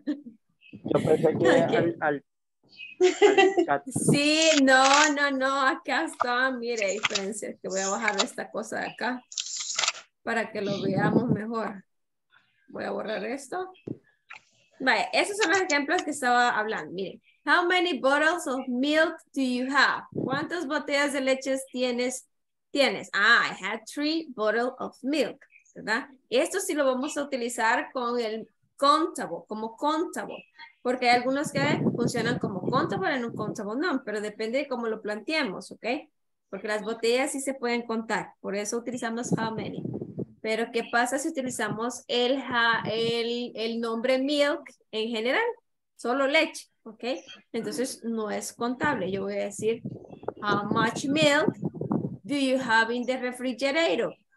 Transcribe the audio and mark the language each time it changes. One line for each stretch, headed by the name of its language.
Spanish: Yo pensé que okay. al chat. Sí, no, acá está. Mire, diferencia, que voy a bajar esta cosa de acá para que lo veamos mejor. Voy a borrar esto. Vale, esos son los ejemplos que estaba hablando, miren.
English: How many bottles of milk do you have?
Spanish: ¿Cuántas botellas de leche tienes?
English: Ah, I had 3 bottles of milk, ¿verdad?
Spanish: Esto sí lo vamos a utilizar con el countable, como countable, porque hay algunos que funcionan como countable en un countable, no, pero depende de cómo lo planteemos, ¿ok? Porque las botellas sí se pueden contar, por eso utilizamos how many. Pero ¿qué pasa si utilizamos el nombre milk en general? Solo leche. ¿Ok? Entonces no es contable. Yo voy a decir,
English: how much milk do you have in the refrigerator?